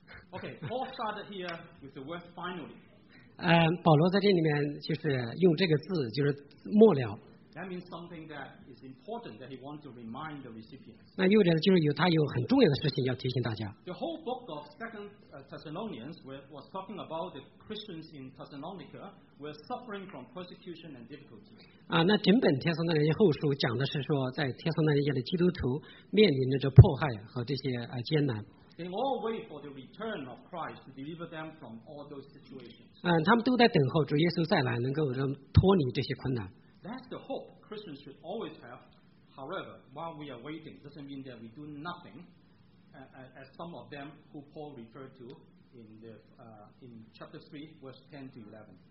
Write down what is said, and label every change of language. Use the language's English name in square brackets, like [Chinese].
[English] Okay, Paul started here with the word finally. [Chinese] 保罗在这里面就是用这个字，就是末了。 [English] That means something that is important that he wants to remind the recipients. [Chinese] 那意味着就是有他有很重要的事情要提醒大家。 [English] The whole book of Second Thessalonians was talking about the Christians in Thessalonica were suffering from persecution and difficulties. [Chinese] 那整本帖撒罗尼迦后书讲的是说，在帖撒罗尼迦的基督徒面临着迫害和这些艰难。 [English] They all wait for the return of Christ to deliver them from all those situations. [Chinese] 他们都在等候主耶稣再来，能够脱离这些困难。 [English] That's the hope Christians should always have. However, while we are waiting, doesn't mean that we do nothing, as some of them who Paul referred to in the in chapter 3, verse 10 to 11.